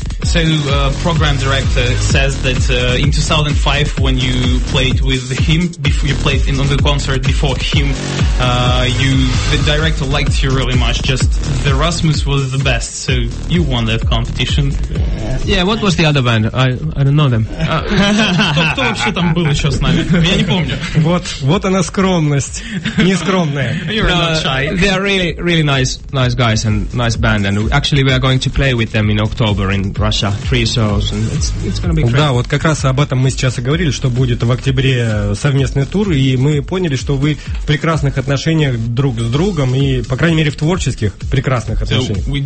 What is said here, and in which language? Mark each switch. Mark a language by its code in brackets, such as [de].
[en] So, program director says that in 2005, when you played with Him, before you played in on the concert before Him, the director liked you really much. Just the Erasmus was the best, so you won that competition. Yeah, what was the other band? I don't know them. [ru] Кто вообще там был еще с нами? Я не помню. Вот она скромность, нескромная. [en] You're not shy. They are really, really nice guys and nice band. And actually, we are going to play with them in October in. [ru] Да, вот как раз об этом мы сейчас и говорили, что будет в октябре совместный тур, и мы поняли, что вы в прекрасных отношениях друг с другом, и, по крайней мере, в творческих прекрасных отношениях.